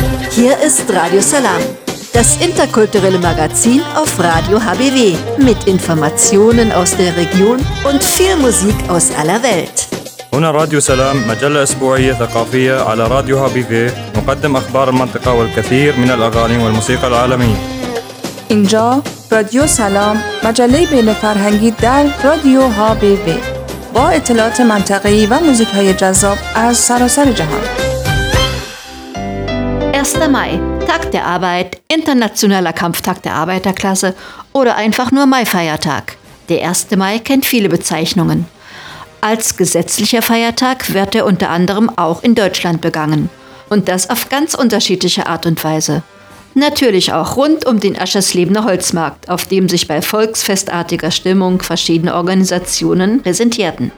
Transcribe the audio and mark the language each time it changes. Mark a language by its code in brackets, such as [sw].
[de] Hier ist Radio Salam, das interkulturelle Magazin auf Radio HBW mit Informationen aus der Region und viel Musik aus aller Welt. [ar] هنا راديو سلام مجلة أسبوعية ثقافية على راديو HBW نقدم أخبار المنطقة والكثير من الأغاني والموسيقى العالمية. [fa] إنجا راديو سلام مجلة بين فرهنگی در راديو HBW با اطلاعات منطقی و موسیقی جذاب از سراسر جهان. [de] 1. Mai, Tag der Arbeit, internationaler Kampftag der Arbeiterklasse oder einfach nur Maifeiertag. Der 1. Mai kennt viele Bezeichnungen. Als gesetzlicher Feiertag wird er unter anderem auch in Deutschland begangen. Und das auf ganz unterschiedliche Art und Weise. Natürlich auch rund um den Aschersleben Holzmarkt, auf dem sich bei volksfestartiger Stimmung verschiedene Organisationen präsentierten.